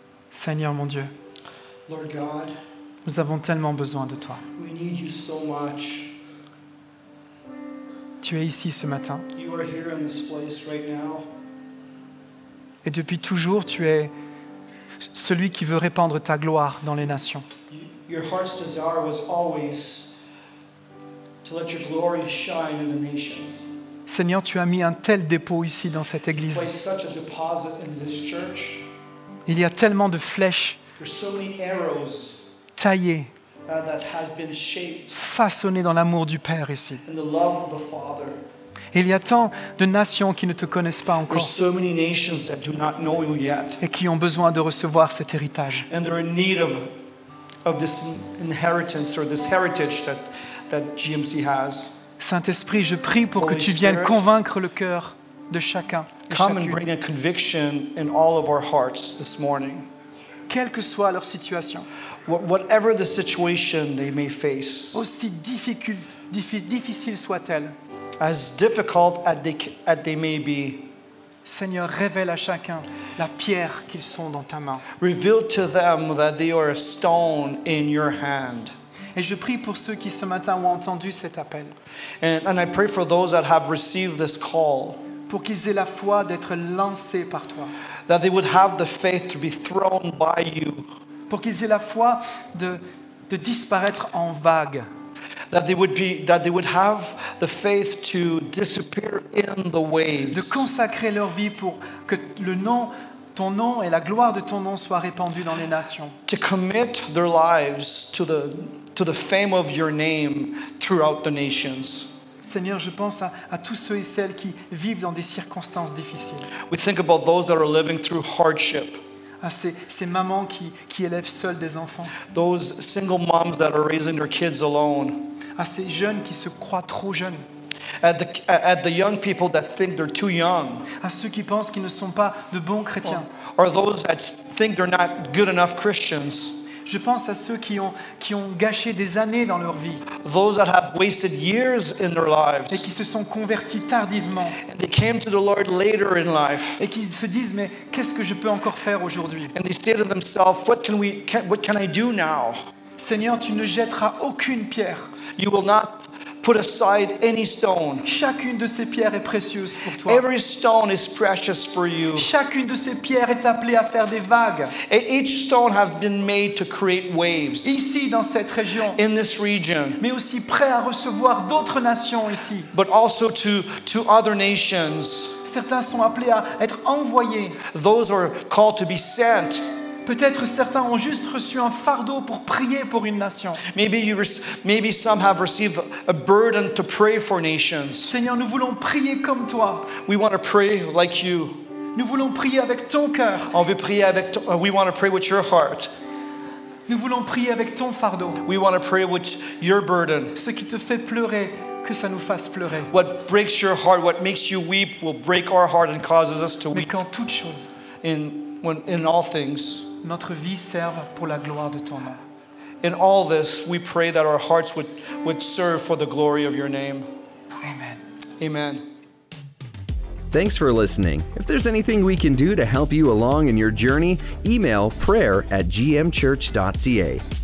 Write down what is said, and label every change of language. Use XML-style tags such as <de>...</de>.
<fr>Seigneur mon Dieu,</fr> <en>Lord God,</en> <fr>nous avons tellement besoin de toi.</fr> <en>We need you so much.</en> <fr>Tu es ici ce matin.</fr> <en>You are here in this place right now.</en> <fr>Et depuis toujours, tu es celui qui veut répandre ta gloire dans les nations.</fr> <en>Your heart's desire was always to let your glory shine in the nations.</en> <fr>Seigneur, tu as mis un tel dépôt ici dans cette église.</fr> <en>You place such a deposit in this church.</en> <fr>Il y a tellement de flèches,</fr> <en>so many arrows,</en> <fr>taillées,</fr> <en>that has been shaped,</en> <fr>façonnées dans l'amour du Père ici.</fr> <en>In the love of the Father.</en> <fr>Il y a tant de nations qui ne te connaissent pas encore,</fr> <en>so many nations that do not know you yet,</en> <fr>et qui ont besoin de recevoir cet héritage.</fr> <en>And they're in need of this inheritance or this heritage that GMC has.</en> <fr>Saint-Esprit, je prie pour</fr> <en>Holy</en> <fr>que tu viennes</fr> <en>Spirit,</en> <fr>convaincre le cœur de chacun.</fr> <en>Come and bring a conviction in all of our hearts this morning.</en> <fr>Quelle que soit leur situation.</fr> <en>Whatever the situation they may face.</en> <fr>Aussi difficile soit-elle.</fr> <en>As difficult as they may be.</en> <fr>Seigneur, révèle à chacun la pierre qu'ils sont dans ta main.</fr> <en>Reveal to them that they are a stone in your hand.</en> <fr>Et je prie pour ceux qui ce matin ont entendu cet appel.</fr> <en>And I pray for those that have received this call.</en> <fr>Pour qu'ils aient la foi d'être lancés par toi.</fr> <en>That they would have the faith to be thrown by you.</en> <fr>Pour qu'ils aient la foi de disparaître en vague.</fr> <en>That they would have the faith to disappear in the waves.</en> <fr>De consacrer leur vie pour que le nom, ton nom et la gloire de ton nom soient répandus dans les nations.</fr> <en>To commit their lives to the fame of your name throughout the nations.</en> <fr>Seigneur, je pense à tous ceux et celles qui vivent dans des circonstances difficiles.</fr> <en>We think about those that are living through hardship.</en> <fr>À ces mamans qui élèvent seules des enfants.</fr> <en>Those single moms that are raising their kids alone.</en> <fr>À ces jeunes qui se croient trop jeunes.</fr> <en>At the young people that think they're too young.</en> <fr>À ceux qui pensent qu'ils ne sont pas de bons chrétiens.</fr> <en>Or those that think they're not good enough Christians.</en> <fr>Je pense à ceux qui ont gâché des années dans leur vie.</fr> <en>Those that have wasted years in their lives.</en> <fr>Et qui se sont convertis tardivement.</fr> <en>And they came to the Lord later in life.</en> <fr>Et qui se disent, mais qu'est-ce que je peux encore faire aujourd'hui?</fr> <en>And they say to themselves, what can I do now?</en> <fr>Seigneur, tu ne jetteras aucune pierre.</fr> <en>You will not put aside any stone.</en> <fr>Chacune de ces pierres est précieuse pour toi.</fr> <en>Every stone is precious for you.</en> <fr>Chacune de ces pierres est appelée à faire des vagues.</fr> <en>And each stone has been made to create waves.</en> <fr>Ici dans cette région.</fr> <en>In this region.</en> <fr>Mais aussi prêt à recevoir d'autres nations ici.</fr> <en>But also to other nations.</en> <fr>Certains sont appelés à être envoyés.</fr> <en>Those are called to be sent.</en> <fr>Peut-être certains ont juste reçu un fardeau pour prier pour une nation.</fr> <en>Maybe some have received a burden to pray for nations.</en> <fr>Seigneur, nous voulons prier comme toi.</fr> <en>We want to pray like you.</en> <fr>Nous voulons prier avec ton cœur. On veut prier avec</fr> <en>we want to pray with your heart.</en> <fr>Nous voulons prier avec ton fardeau.</fr> <en>We want to pray with your burden.</en> <fr>Ce qui te fait pleurer, que ça nous fasse pleurer.</fr> <en>What breaks your heart, what makes you weep, will break our heart and causes us to weep.</en> <fr>Mais qu'en toute chose.</fr> <en>In all things.</en> <fr>Notre vie serve pour la gloire de ton nom.</fr> <en>In all this, we pray that our hearts would serve for the glory of your name. Amen. Amen. Thanks for listening. If there's anything we can do to help you along in your journey, email prayer@gmchurch.ca.</en>